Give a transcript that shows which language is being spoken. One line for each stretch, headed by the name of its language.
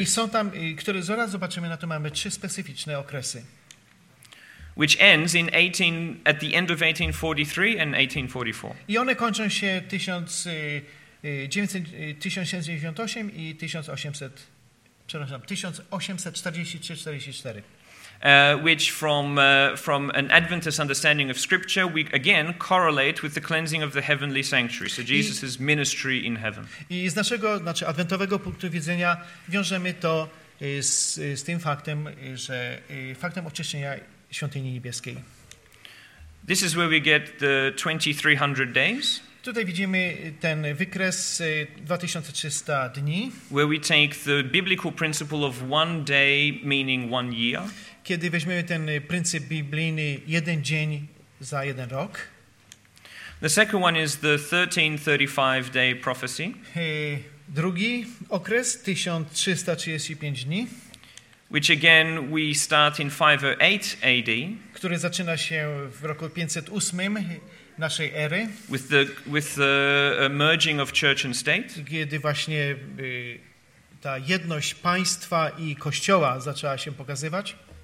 Polish: I są tam, które zaraz zobaczymy, na to mamy trzy specyficzne okresy.
English: Which ends in 18 at the end of 1843 and 1844.
Polish: I one kończą się 1798 i 1843-44.
English: Which from an Adventist understanding of scripture we again correlate with the cleansing of the heavenly sanctuary, so Jesus's ministry in heaven.
Polish: I z naszego, znaczy adwentowego punktu widzenia wiążemy to z tym faktem, że faktem oczyszczenia Świątyni Niebieskiej.
English: This is where we get the 2300 days.
Polish: Tutaj widzimy ten wykres 2300 dni.
English: Where we take the biblical principle of one day meaning one year.
Polish: Kiedy weźmiemy ten pryncyp biblijny jeden dzień za jeden rok.
English: The second one is the 1335 day prophecy.
Polish: Drugi okres 1335 dni.
English: Which again we start in 508 AD,
Polish: który zaczyna się w roku 508 naszej ery,
English: with the merging of church and state,
Polish: kiedy właśnie ta jedność państwa i kościoła zaczęła się pokazywać,